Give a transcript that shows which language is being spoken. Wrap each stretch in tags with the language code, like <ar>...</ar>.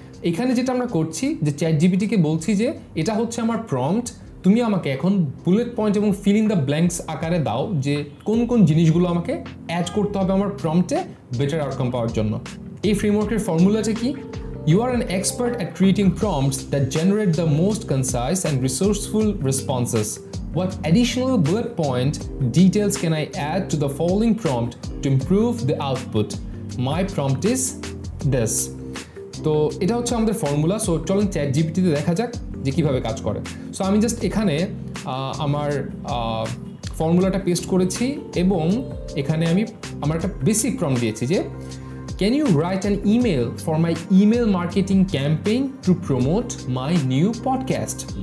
<bn>এখানে যেটা আমরা করছি যে চ্যাট জিপিটিকে বলছি যে এটা হচ্ছে আমার প্রম্পট, তুমি আমাকে এখন বুলেট পয়েন্ট এবং ফিল ইন দ্য ব্ল্যাঙ্কস আকারে দাও যে কোন কোন জিনিসগুলো আমাকে অ্যাড করতে হবে আমার প্রম্পটে বেটার আউটকাম পাওয়ার জন্য। এই ফ্রেমওয়ার্কের ফর্মুলাটা কি?</bn> <en>You are an expert at creating prompts that generate the most concise and resourceful responses. What additional bullet point details can I add to the following prompt to improve the output? My prompt is this.</en> <bn>So, এটা হচ্ছে আমাদের formula. So চলুন chat জিপিটিতে দেখা যাক যে কীভাবে কাজ করে। সো আমি জাস্ট এখানে আমার ফর্মুলাটা পেস্ট করেছি এবং এখানে আমি আমার একটা বেসিক প্রম্পট দিয়েছি যে</bn> <en>Can you write an email for my email marketing campaign to promote my new podcast.</en>